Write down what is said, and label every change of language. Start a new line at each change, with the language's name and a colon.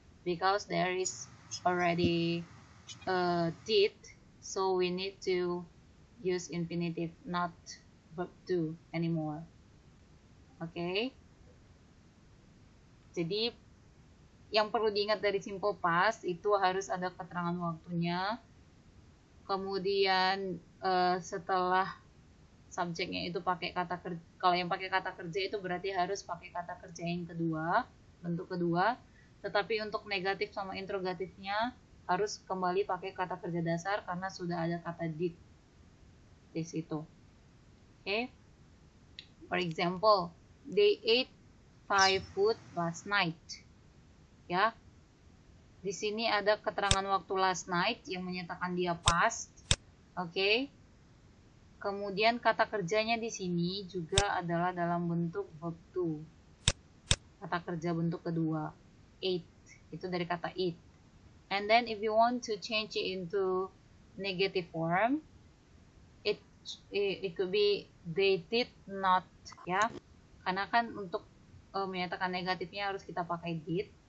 English: Because there is already did, so we need to use infinitive, not verb 2 anymore. Okay?
Indonesian: Jadi, yang perlu diingat dari simple past, itu harus ada keterangan waktunya. Kemudian setelah subjeknya itu pakai kata kerja, kalau yang pakai kata kerja itu berarti harus pakai kata kerja yang kedua, bentuk kedua. Tetapi untuk negatif sama interrogatifnya harus kembali pakai kata kerja dasar karena sudah ada kata did di situ.
English: Oke. Okay? For example, they ate five food last night. Ya. Yeah?
Indonesian: Di sini ada keterangan waktu last night yang menyatakan dia past. Oke. Okay. Kemudian kata kerjanya di sini juga adalah dalam bentuk verb 2. Kata kerja bentuk kedua. Ate. Itu dari kata eat.
English: And then if you want to change it into negative form, it could be they did not.
Indonesian: Ya. Karena kan untuk menyatakan negatifnya harus kita pakai did.